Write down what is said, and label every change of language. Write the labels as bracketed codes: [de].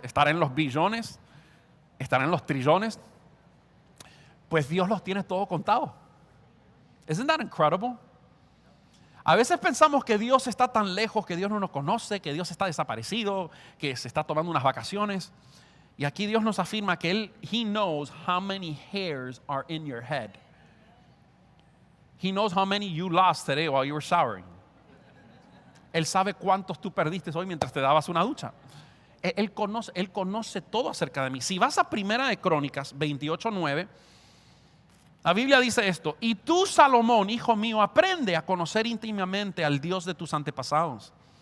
[es] ¿Estará en los billones? ¿Estará en los trillones? Pues Dios los tiene todo contado. [en] Isn't that incredible? [es] A veces pensamos que Dios está tan lejos, que Dios no nos conoce, que Dios está desaparecido, que se está tomando unas vacaciones. Y aquí Dios nos afirma que Él, [en] He knows how many hairs are in your head. He knows how many you lost today while you were showering. [es] Él sabe cuántos tú perdiste hoy mientras te dabas una ducha. Él conoce todo acerca de mí. Si vas a Primera de Crónicas 28:9, La Biblia dice esto: y tú, Salomón, hijo mío, aprende a conocer íntimamente al Dios de tus antepasados.